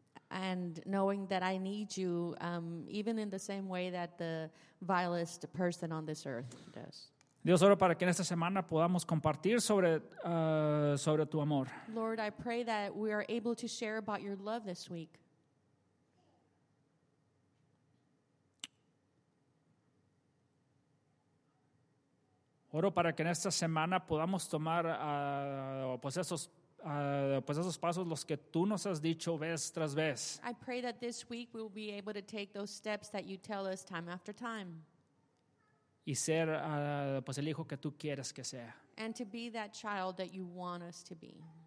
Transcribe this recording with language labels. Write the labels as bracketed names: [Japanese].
[English] And knowing that I need you even in the same way that the vilest person on this earth does. [Spanish] Dios, oro para que en esta semana podamos compartir sobre tu amor. [English] Lord, I pray that we are able to share about your love this week. [Spanish] Oro para que en esta semana podamos tomar esos pasos los que tú nos has dicho vez tras vez. [English] I pray that this week we will be able to take those steps that you tell us time after time. [Spanish] Y ser el hijo que tú quieres que sea. [English] And to be that child that you want us to be.